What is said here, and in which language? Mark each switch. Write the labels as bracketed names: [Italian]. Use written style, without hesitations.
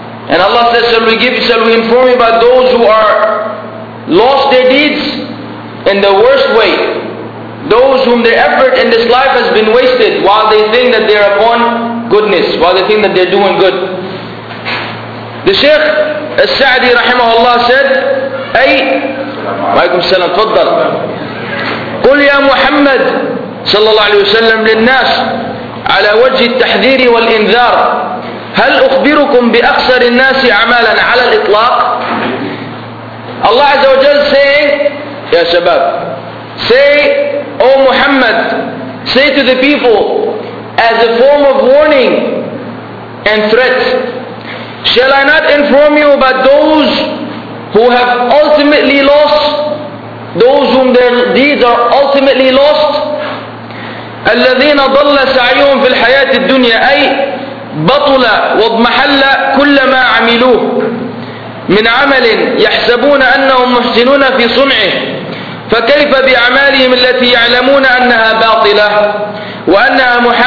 [English] And Allah says, shall we inform you about those who are lost their deeds in the worst way, those whom their effort in this life has been wasted while they think that they are upon goodness, while they think that they are doing good. The Shaykh As-Sa'di rahimahullah said, [Arabic] أي وعليكم السلام تفضل قل يا محمد صلى الله عليه وسلم للناس على وجه التحذير والإنذار هل أخبركم بأخسر الناس أعمالا على الإطلاق. [English] Allah عز وجل saying, [Arabic] يا شباب, [English] say, O Muhammad, say to the people as a form of warning and threat, shall I not inform you about those who have ultimately lost, those whom their deeds are ultimately lost? [Arabic] الذين ضل سعيهم في الحياة الدنيا أي بطل واضمحل كل ما عملوه من عمل يحسبون أنهم محسنون في صنعه فكيف بأعمالهم التي يعلمون أنها باطلة وأنها